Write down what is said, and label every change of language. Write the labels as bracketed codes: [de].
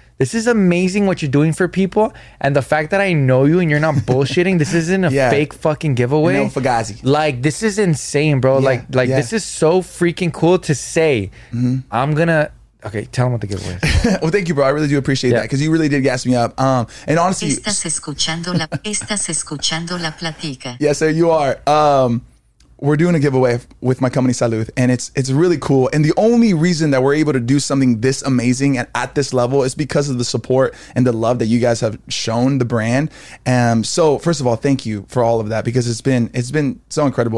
[en] This is amazing what you're doing for people. And the fact that I know you and you're not bullshitting, this isn't a fake fucking giveaway. No fugazi. Like, this is insane, bro. Yeah. Like this is so freaking cool to say. Mm-hmm. Okay, tell them what the giveaway is. Well, thank you, bro. I really do appreciate that, because you really did gas me up. And honestly, [es] estás escuchando la plática. [en] Yes, sir, you are. We're doing a giveaway with my company Salud, and it's really cool. And the only reason that we're able to do something this amazing and at this level is because of the support and the love that you guys have shown the brand. So first of all, thank you for all of that, because it's been so incredible.